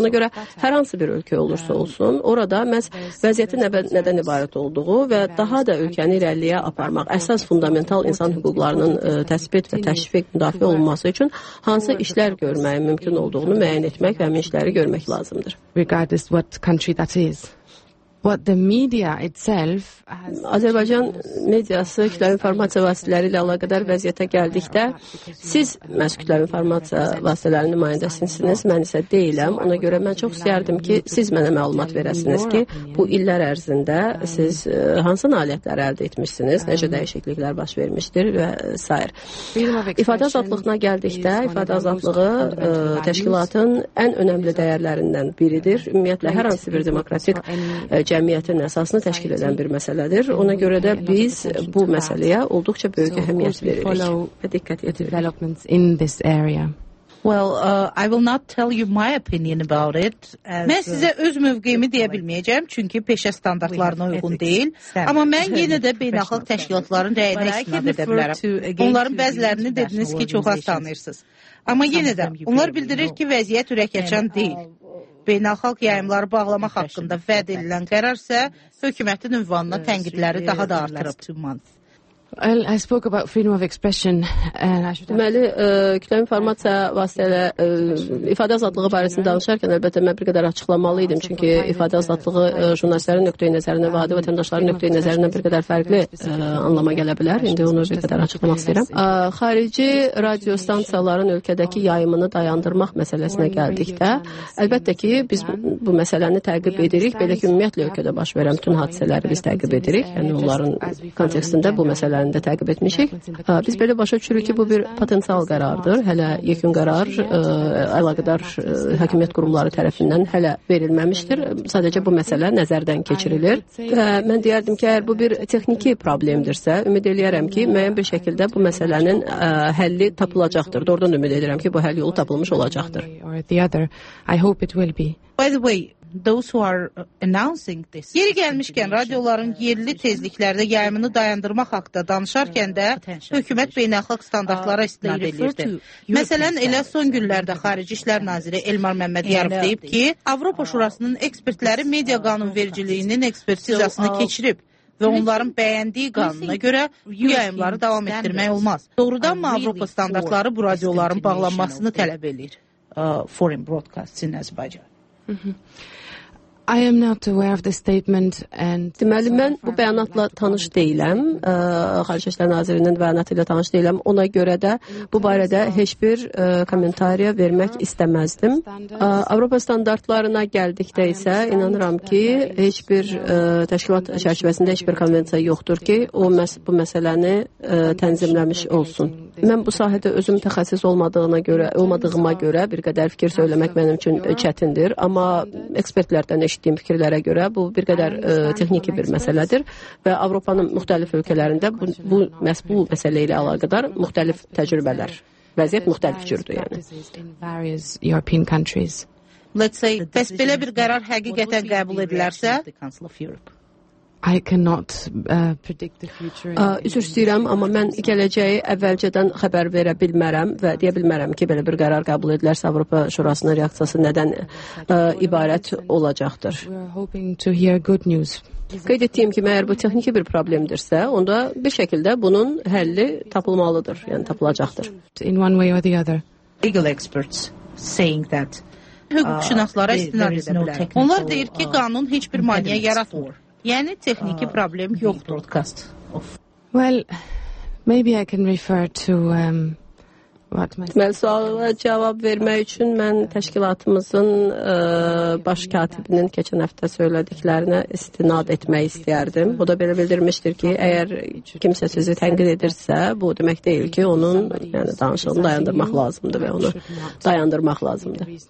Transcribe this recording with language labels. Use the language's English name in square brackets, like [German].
[Azerbaijani] Ona görə hər hansı bir ölkə olursa olsun, orada məhz vəziyyətin nədən ibarət olduğu və daha da ölkəni irəliyə aparmaq, əsas fundamental insan hüquqlarının təsbit və təşviq müdafiə olunması üçün hansı işlər görmək mümkün olduğunu müəyyən etmək və həmin işləri görmək lazımdır. [English] Regardless what country that is. What the media itself has... [Azerbaijani] Azərbaycan mediası kütləvi informasiya vasitələri ilə əlaqədar vəziyyətə gəldikdə, siz məhz kütləvi informasiya vasitələrinin nümayəndəsinizsiniz, mən isə deyiləm. Ona görə mən çox istəyərdim ki, siz mənə məlumat verəsiniz ki, bu illər ərzində siz hansı nailiyyətlər əldə etmişsiniz, necə dəyişikliklər baş vermişdir və s. İfadə azadlığına gəldikdə, ifadə azadlığı təşkilatın ən önəmli dəyərlərindən biridir. Ümumiyyətlə, hər hansı bir demokratik cəmiyyətin əsasını təşkil edən bir məsələdir. Ona görə də biz bu məsələyə olduqca böyük əhəmiyyət veririk və diqqət yetiririk. [English] Well, I will not tell you my opinion about it. [Azerbaijani] Mən sizə öz mövqeyimi deyə bilməyəcəm, çünki peşə standartlarına uyğun deyil. Amma mən yenə də beynəlxalq təşkilatların rəyini istinad edə bilərəm. Onların bəzilərini dediniz ki, çox az tanıyırsınız. Amma yenə də, onlar bildirir ki, vəziyyət ürəkaçan deyil. Beynəlxalq yayımları bağlamaq haqqında vəd edilən qərar isə hökumətin ünvanına tənqidləri daha da artırıb. [English] I spoke about freedom of expression and I should [Azerbaijani] Deməli, kütləvi informasiya vasitələri ifadə azadlığı barəsində danışarkən əlbəttə mən bir qədər açıqlamalı idim çünki ifadə azadlığı jurnalistlərin nöqteyi nəzərindən və adi vətəndaşların nöqteyi nəzərindən bir qədər fərqli anlama gələ bilər. İndi onu bir qədər açıqlamaq istəyirəm. Xarici radio stansiyaların ölkədəki yayımını dayandırmaq məsələsinə gəldikdə, əlbəttə ki, biz bu məsələni təqib edirik. Belə ki, ümumiyyətlə ölkədə baş verən bütün hadisələri biz təqib edirik. Yəni onların kontekstində bu məsələ əlində təqib etmişik. Biz belə başa düşürük ki, bu bir potensial qərardır. Hələ yekun qərar əlaqədar hakimiyyət qurumları tərəfindən hələ verilməmişdir. Sadəcə bu məsələ nəzərdən keçirilir. Və mən deyərdim ki, əgər bu bir texniki problemdirsə, ümid eləyərəm ki, müəyyən bir şəkildə bu məsələnin həlli tapılacaqdır. Doğrudan ümid edirəm ki, bu həll yolu tapılmış olacaqdır. [English] I hope it will be. By the way, those who are announcing this. [Azerbaijani] Yeri gəlmişkən radioların yerli tezliklərdə yayımını dayandırmaq haqqında danışarkən də hökumət beynəlxalq standartlara istinad edirdi. Məsələn, elə son günlərdə Xarici İşlər Naziri Elmar Məmmədyarov deyib ki, Avropa Şurasının ekspertləri media qanunvericiliyinin ekspertizasını keçirib və onların bəyəndiyi qanuna görə bu yayımları davam etdirmək olmaz. Doğrudan mı Avropa standartları bu radioların bağlanmasını tələb eləyir? [English] Foreign broadcasts in Azerbaijan. I am not aware of the statement and [Azerbaijani] deməli mən bu bəyanatla tanış deyiləm. Xarici İşlər Nazirinin bəyanatı ilə tanış deyiləm. Ona görə də bu barədə heç bir kommentariya vermək istəməzdim. Avropa standartlarına gəldikdə isə inanıram ki, heç bir təşkilat çərçivəsində heç bir konvensiya yoxdur ki, o bu məsələni tənzimləmiş olsun. Mən bu sahədə özüm təxəssüs olmadığıma görə bir qədər fikir söyləmək mənim üçün çətindir, amma ekspertlərdən eşitdiyim fikirlərə görə bu bir qədər texniki bir məsələdir və Avropanın müxtəlif ölkələrində bu məsələ ilə əlaqədar müxtəlif təcrübələr, vəziyyət müxtəlif cürdür yəni. [English] Let's say, [Azerbaijani] bəs belə bir qərar həqiqətən qəbul edilərsə? [English] I cannot predict the future. [Azerbaijani] Üzr istəyirəm, amma mən gələcəyi əvvəlcədən xəbər verə bilmərəm və deyə bilmərəm ki, belə bir qərar qəbul edilərsə Avropa Şurasının reaksiyası nədən ibarət olacaqdır. Qeyd etdiyim ki, məyər bu texniki bir problemdirsə, onda bir şəkildə bunun həlli tapılmalıdır, yəni tapılacaqdır. [English] In one way or the other. Legal experts saying that. [Azerbaijani] Hüquqşünaslara istinad edə bilər. Onlar deyir ki, qanun heç bir maneə yaratmır. Yəni texniki problem yoxdur. [English] Well, maybe I can refer to [Azerbaijani] Mən suala cavab vermək üçün mən təşkilatımızın baş katibinin keçən həftə söylədiklərinə istinad etmək istəyərdim. O da belə bildirmişdir ki, əgər kimsə sözü tənqid edirsə, bu demək deyil ki, onun yəni, danışığını dayandırmaq lazımdır və onu dayandırmaq lazımdır.